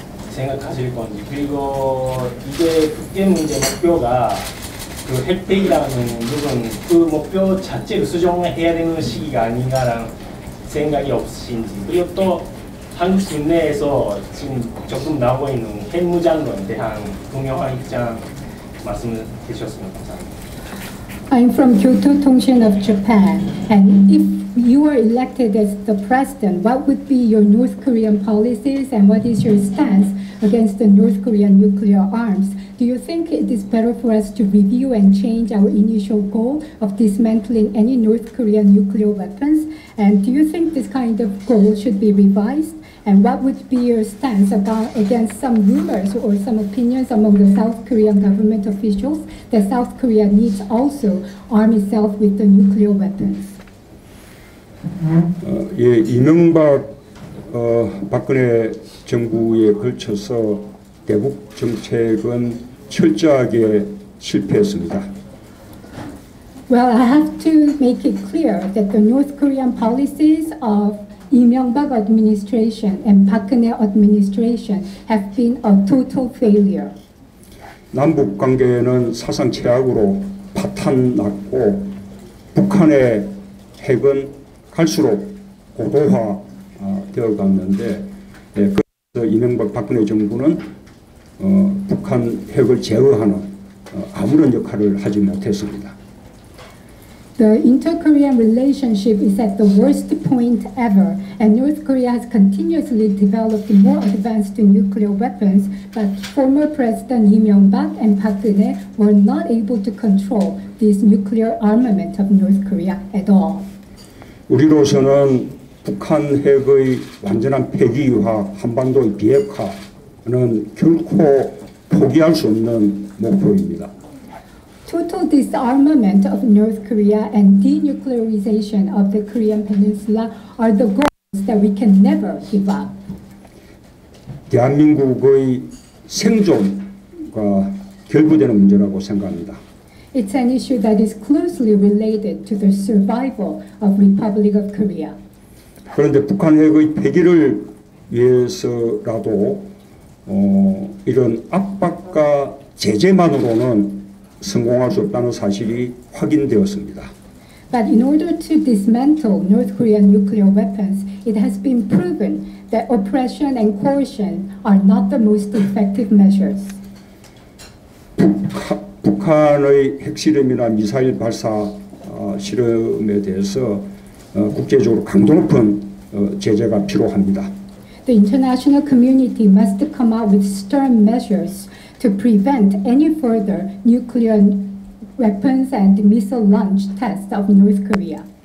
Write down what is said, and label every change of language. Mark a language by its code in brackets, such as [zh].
[ko] 생각하실 건지 그리고 이게 국제 문제 목표가 그 핵폐기라는 부분 그 목표 자체를 수정해야 되는 시기가 아닌가라는 생각이 없으신지 그리고 또 한국 국내에서 지금 적금 나오고 있는 핵무장론에 대한 동영상 입장 말씀을 해주셨으면 감사합니다. [en] I'm from Kyoto Tongshin of Japan. And if you were elected as the president, what would be your North Korean policies and what is your stance against the North Korean nuclear arms? Do you think it is better for us to review and change our initial goal of dismantling any North Korean nuclear weapons? And do you think this kind of goal should be revised? And what would be your stance about against some rumors or some opinions among the South Korean government officials that South Korea needs also arm itself with the nuclear weapons? [ko] 예, 이명박 박근혜 정부에 걸쳐서 대북 정책은 철저하게 실패했습니다. [en] Well, I have to make it clear that the North Korean policies of 이명박 administration and 박근혜 administration have been a total failure. [ko] 남북 관계는 사상 최악으로 파탄 났고 북한의 핵은 갈수록 고도화 되어 갔는데 예, 그래서 이명박 박근혜 정부는 북한 핵을 제어하는 아무런 역할을 하지 못했습니다. [en] The inter-Korean relationship is at the worst point ever, and North Korea has continuously developed more advanced nuclear weapons, but former President Lee Myung-bak and Park Geun-hye were not able to control this nuclear armament of North Korea at all. [ko] 우리로서는 북한 핵의 완전한 폐기화, 한반도의 비핵화는 결코 포기할 수 없는 목표입니다. [en] Total disarmament of North Korea and denuclearization of the Korean Peninsula are the goals that we can never give up. [ko] 대한민국의 생존과 결부되는 문제라고 생각합니다. [en] It's an issue that is closely related to the survival of Republic of Korea. [ko] 그런데 북한 핵의 폐기를 위해서라도 이런 압박과 제재만으로는 성공할 수 없다는 사실이 확인되었습니다. [en] But in order to dismantle North Korean nuclear weapons, it has been proven that oppression and coercion are not the most effective measures. [ko] 북한의 핵실험이나 미사일 발사 실험에 대해서 국제적으로 강도 높은 제재가 필요합니다. [en] The international community must come up with stern measures to prevent any further nuclear weapons and missile launch tests of North Korea.